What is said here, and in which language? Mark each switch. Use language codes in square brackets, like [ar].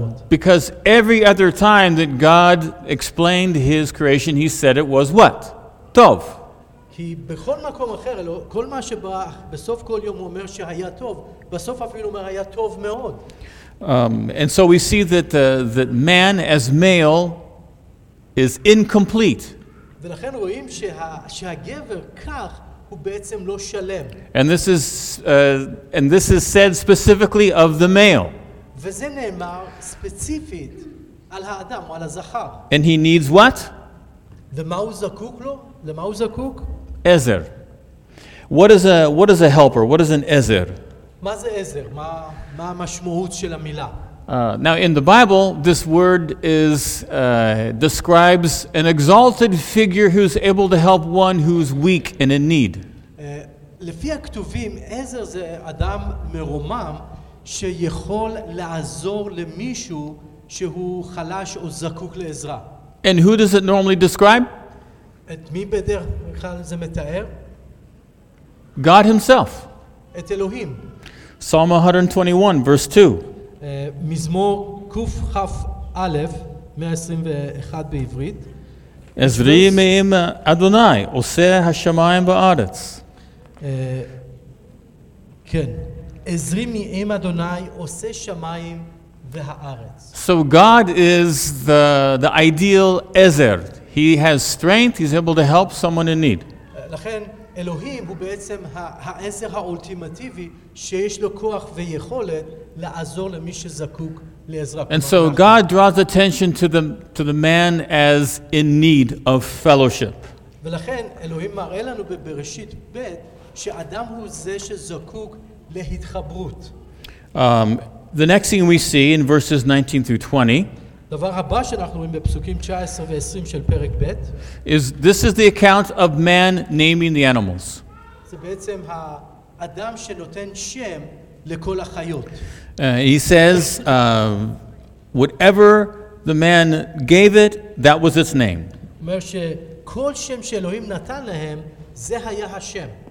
[en] Because every other time that God explained his creation he said it was what? [he] טוב. כי בכל מקום אחר כל מה שברא בסוף כל יום הוא אומר שהיה טוב, בסוף אפילו אומר היה טוב מאוד. [en] And so we see that that man as male is incomplete. [he] ולכן רואים שהגבר כך הוא בעצם לא שלם. [en] And this is said specifically of the male. [he] וזה נאמר ספציפית על האדם או על הזכר. [en] And he needs what? [he] למה הוא זקוק? [en] Ezer. What is a helper? What is an ezer? [he] מה זה עזר? מה המשמעות של המילה? [en] Now in the Bible this word is describes an exalted figure who's able to help one who's weak and in need. [he] לפי הכתובים עזר זה אדם מרומם שיכול לעזור למישהו שהוא חלש או זקוק לעזרה. [en] And who does it normally describe? [he] את מי בדרך כלל זה מתאר? [en] God himself. [he] את אלוהים. [en] Psalm 121 verse 2. [he] מזמור קוף חף א' 121 בעברית. עזרי מעם אדוני עושה השמיים בארץ. כן. עזרי מעם אדוני עושה שמיים והארץ. [en] So God is the ideal עזר. He has strength. He's able to help someone in need. [he] לכן אלוהים הוא בעצם העזר האולטימטיבי שיש לו כוח ויכולת לעזור למי שזקוק לעזרה. [en] And so God draws attention to the man as in need of fellowship. [he] ולכן אלוהים מראה לנו בבראשית ב' שאדם הוא זה שזקוק להתחברות. [en] The next thing we see in verses 19 through 20 [he] דבר הבא שאנחנו רואים בפסוקים 19 ו-20 של פרק ב' [en] This is the account of man naming the animals. [he] זה בעצם האדם שנותן שם לכל החיות. [en] He says, whatever the man gave it, that was its name. [he] אומר שכל שם שאלוהים נתן להם, זה היה השם.